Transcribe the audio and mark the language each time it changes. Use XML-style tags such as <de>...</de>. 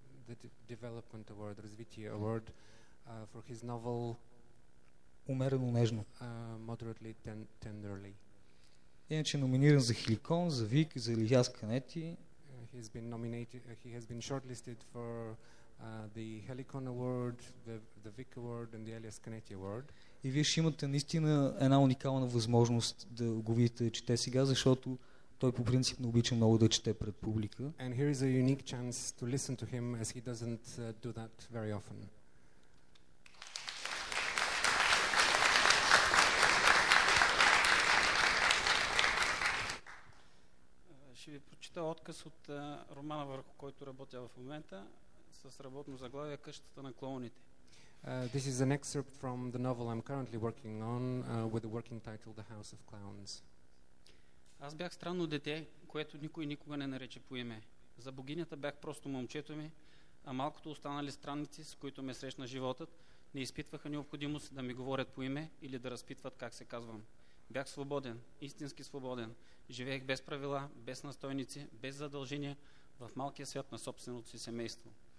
<en>The development award, Развитие award for his novel</en> <bg>Умерено нежно.</bg> <en>Moderately tenderly.</en> <bg>Иначе номиниран за Хиликон, за Вик, за Илияс Канети.</bg> <en>He has been shortlisted for the Helicon Award, the Vic Award and the Elias Canetti Award.</en> <bg>И вие ще имате наистина една уникална възможност да го видите да чете сега, защото той по принцип не обича много да чете пред публика.</bg> <en>And here is a unique chance to listen to him as he doesn't do that very often.</en> <bg>Ще ви прочита откъс от романа, върху който работя в момента, с работно заглавие Къщата на клоуните.</bg> <en>This is an excerpt from the novel I'm currently working on with the working title The House of Clowns.</en> <bg>Аз бях странно дете, което никой никога не нарече по име. За богинята бях просто момчето ми, а малкото останали странници, с които ме срещна животът, не изпитваха необходимост да ми говорят по име или да разпитват как се казвам. Бях свободен, истински свободен. Живеех без правила, без настойници, без задължения в малкия свят на собственото си семейство.</bg>